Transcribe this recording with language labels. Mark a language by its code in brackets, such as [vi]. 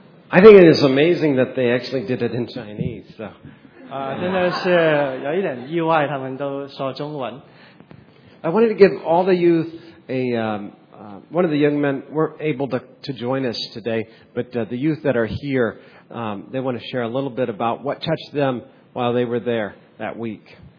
[en] I think it is amazing that they actually did it in Chinese. So. [zh] 真的是有一点意外，他们都说中文。 [en] I wanted to give all the youth a... one of the young men weren't able to join us today, but the youth that are here, they want to share a little bit about what touched them while they were there that week.